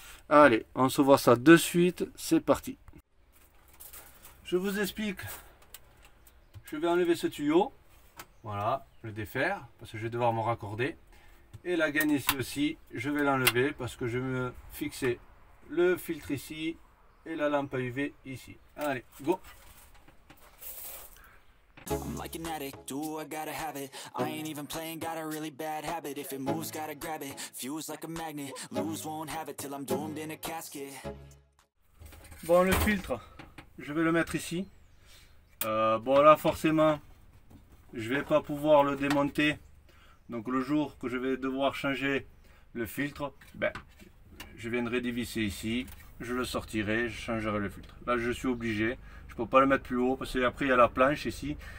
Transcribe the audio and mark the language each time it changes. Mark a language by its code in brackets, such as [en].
[fr] Allez, on se voit ça de suite, c'est parti. Je vous explique, je vais enlever ce tuyau, voilà, le défaire, parce que je vais devoir me raccorder. Et la gaine ici aussi, je vais l'enlever parce que je vais me fixer le filtre ici et la lampe UV ici. Allez, go! [en] I'm like an addict, ooh, I gotta have it. I ain't even playing, got a really bad habit. If it moves, gotta grab it. Fuse like a magnet, lose won't have it till I'm doomed in a casket. [fr] Bon, le filtre, je vais le mettre ici. Bon, là, forcément, je vais pas pouvoir le démonter. Donc, le jour que je vais devoir changer le filtre, ben, je viendrai dévisser ici. Je le sortirai, je changerai le filtre. Là, je suis obligé. Je peux pas le mettre plus haut parce qu'après il y a la planche ici.